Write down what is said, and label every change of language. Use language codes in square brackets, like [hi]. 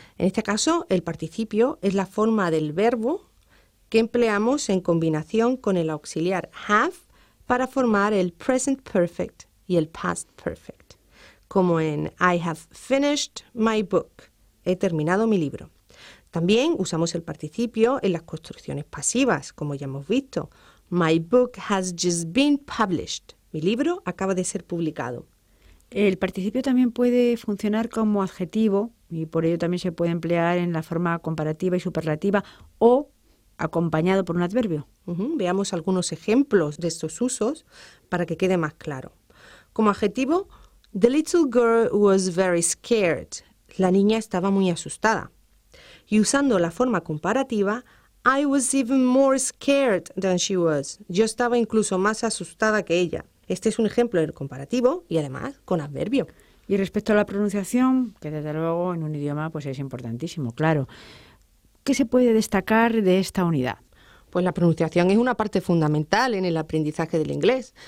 [es] En este caso, el participio es la forma del verbo que empleamos en combinación con el auxiliar have para formar el present perfect y el past perfect, como en [en] I have finished my book, [es] he terminado mi libro. También usamos el participio en las construcciones pasivas, como ya hemos visto. [en] My book has just been published. [es] Mi libro acaba de ser publicado. El participio también puede funcionar como adjetivo y por ello también se puede emplear en la forma comparativa y superlativa o acompañado por un adverbio. Veamos algunos ejemplos de estos usos para que quede más claro. Como adjetivo, [en] the little girl was very scared. [es] La niña estaba muy asustada. Y usando la forma comparativa, [en] I was even more scared than she was. [es] Yo estaba incluso más asustada que ella. Este es un ejemplo del comparativo y además con adverbio. Y respecto a la pronunciación, que desde luego en un idioma pues es importantísimo, claro. ¿Qué se puede destacar de esta unidad? Pues la pronunciación es una parte fundamental en el aprendizaje del inglés.